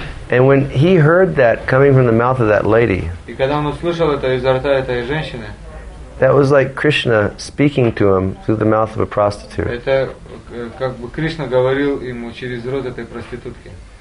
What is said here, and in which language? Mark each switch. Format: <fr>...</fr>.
<en>And when he heard that coming from the mouth of that lady,</en> <ru>и когда он услышал это изо рта этой женщины,</ru> <en>that was like Krishna speaking to him through the mouth of a prostitute.</en> <ru>Это как бы Кришна говорил ему через рот этой проститутки.</ru>